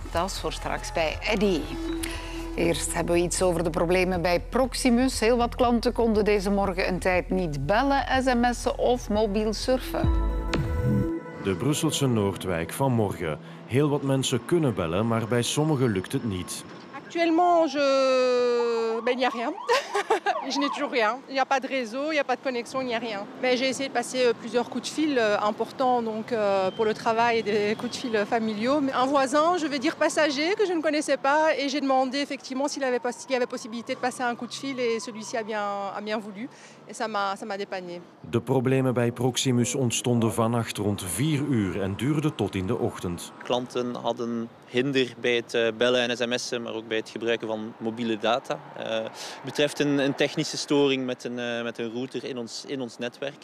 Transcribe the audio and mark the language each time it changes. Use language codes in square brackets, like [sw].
[nl] Dat is voor straks bij Eddy. Eerst hebben we iets over de problemen bij Proximus. Heel wat klanten konden deze morgen een tijd niet bellen, sms'en of mobiel surfen. De Brusselse Noordwijk van morgen. Heel wat mensen kunnen bellen, maar bij sommigen lukt het niet. [fr] Actuellement, je [nl] ben hier [fr] rien. Je n'ai toujours rien. Il n'y a pas de réseau, il n'y a pas de connexion, il n'y a rien. Mais j'ai essayé de passer plusieurs coups de fil importants donc, pour le travail et des coups de fil familiaux. Un voisin, je vais dire passager, que je ne connaissais pas. Et j'ai demandé effectivement s'il y avait possibilité de passer un coup de fil. Et celui-ci a bien voulu. Et ça m'a dépanné. [nl] De problemen bij Proximus ontstonden vannacht rond 4 uur en duurden tot in de ochtend. Klanten hadden hinder bij het bellen en sms'en, maar ook bij het gebruiken van mobiele data. Betreft een technische storing met een router in ons netwerk.